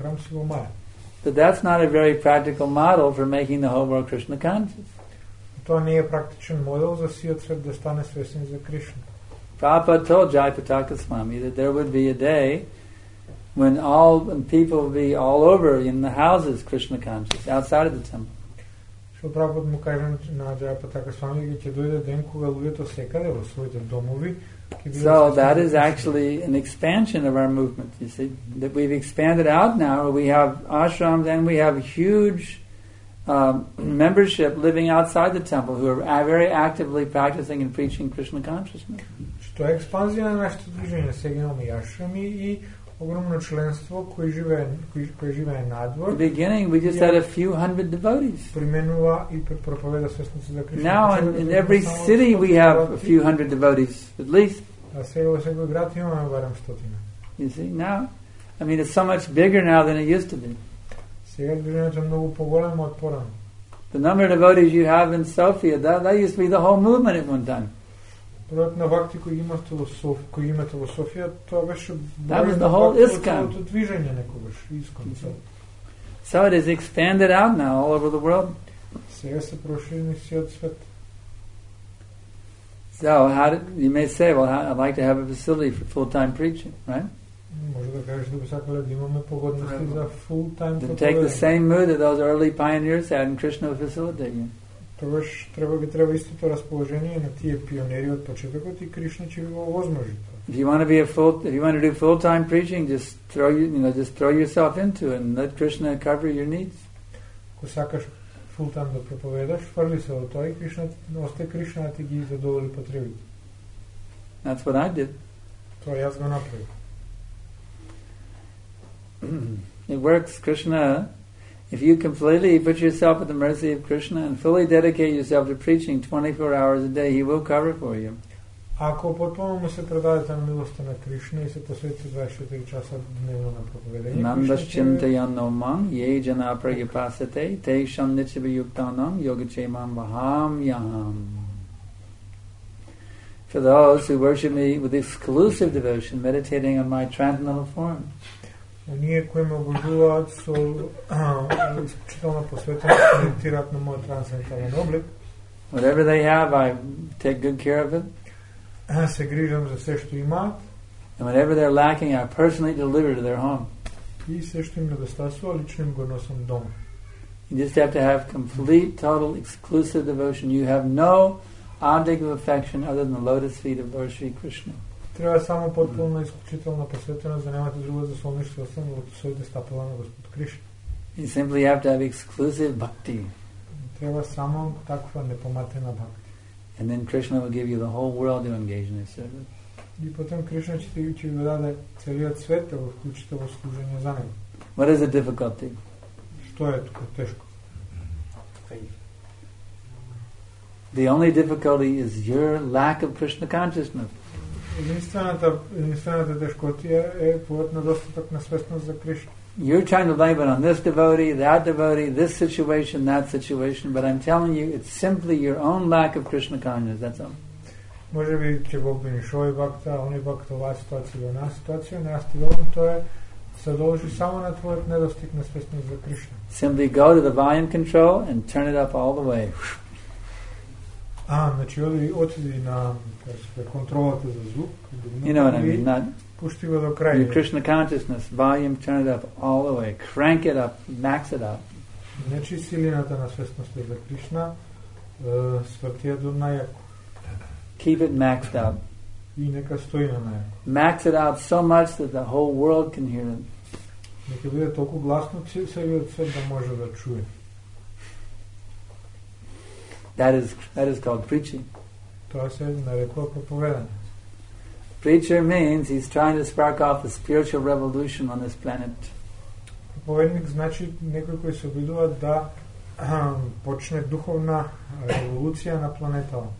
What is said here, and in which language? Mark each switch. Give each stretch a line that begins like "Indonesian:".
English: But that's not a very practical model for making the whole world Krishna conscious. Prabhupada told Jayapataka Swami that there would be a day when all people would be all over in the houses Krishna conscious, outside of the temple.
Macedonian: Шо Прабхупад му каже на Джайапатака с вами, че дойде ден, кога луѓето секаде во своите домови.
English: So that is actually an expansion of our movement, you see, that we've expanded out now. We have ashrams and we have huge membership living outside the temple who are very actively practicing and preaching Krishna consciousness.
Macedonian: Што е експанзија на нашето движење? Сега имаме ашрами и огромно членство кои живее надвор.
English: In the beginning, we just had a few hundred devotees.
Macedonian: Применува и проповеда свесноци за Кришна.
English: Now, in every city, we have a few hundred devotees, at least.
Macedonian: А сега во секој град имаме барем стотина.
English: You see, now, I mean, it's so much bigger now than it used to be.
Macedonian: Сега движењето е многу поголемо од порано.
English: The number of devotees you have in Sofia, that used to be the whole movement at one time.
Macedonian: Бројот на вакти кои имате во Софија, кои имате во Софија, тоа беше целото движење некогаш, искон цел.
English: So it is expanded out now all over the world.
Macedonian: Сега се проширени сиот свет.
English: So how did, you may say, well, I'd like to have a facility for full-time preaching, right?
Macedonian: Може да кажеш да би сакале да имаме погодности за full-time.
English: Then take the same mood that those early pioneers had in Krishna facilitating.
Macedonian: Тогаш треба би треба истото расположение на тие пионери од почетокот и Кришна ќе ви го овозможи тоа.
English: If you want to be a full, if you want to do full-time preaching, just throw you, you know, just throw yourself into it and let Krishna cover your needs.
Macedonian: Ако сакаш full-time да проповедаш, фрли се во тоа и Кришна, осте Кришна ти ги задоволи потребите.
English: That's what I did.
Macedonian: Тоа јас го направив.
English: It works, Krishna. If you completely put yourself at the mercy of Krishna and fully dedicate yourself to preaching 24 hours a day, he will cover for you.
Macedonian: Ако потпуно му се предадете на милоста на Кришна и се посветите 24 часа дневно на проповедање.
Sanskrit: Намдашчинтаяномам ејжана прајупасете тејшам ничибијуктанам йогачемам вахам яхам.
English: For those who worship me with exclusive devotion, meditating on my transcendental form.
Macedonian: Оние кои ме обожуваат со исклучително посветеност коментираат на мојот трансцендентален облик.
English: Whatever they have, I take good care of it.
Macedonian: Се грижам за се што имаат.
English: And whatever they're lacking, I personally deliver to their home.
Macedonian: И се што им недостасува, лично им го носам дома.
English: You just have to have complete, total, exclusive devotion. You have no object of affection other than the lotus feet of Lord Sri Krishna.
Macedonian: Треба само потпуна исклучителна посветеност да немате друго за солништво освен во своите стапала на Господ Кришна.
English: You simply have to have exclusive bhakti.
Macedonian: Треба само таква непоматена бхакти.
English: And then Krishna will give you the whole world to engage in his service.
Macedonian: И потом Кришна ќе ви даде целиот свет да го вклучите во служење за него.
English: What is the difficulty?
Macedonian: Што е тука тешко?
English: The only difficulty is your lack of Krishna consciousness.
Macedonian: Единствената тешкотија е повод на достаток на свесност за Кришна.
English: You're trying to blame it on this devotee, this situation, that situation, but I'm telling you, it's simply your own lack of Krishna consciousness, that's all.
Macedonian: Може би ќе го обвиниш овој бакта, овој бакта, оваа ситуација, оваа ситуација, но јас ти велам тоа се должи само на твојот недостиг на свесност за Кришна.
English: Simply go to the volume control and turn it up all the way.
Macedonian: Значи оди на контролата за звук.
English: You know what I mean? Not
Macedonian: пушти го до крај.
English: Your Krishna consciousness volume, turn it up all the way, crank it up, max it up.
Macedonian: Значи силината на свесноста за Кришна свртија до најако.
English: Keep it maxed up.
Macedonian: И нека стои на најако.
English: Max it up so much that the whole world can hear it.
Macedonian: Нека биде толку гласно целиот свет да може да чуе.
English: That is called preaching.
Macedonian: Тоа се нарекува проповедање.
English: Preacher means he's trying to spark off the spiritual revolution on this planet.
Macedonian: Проповедник значи некој кој се обидува да почне духовна револуција на планетата.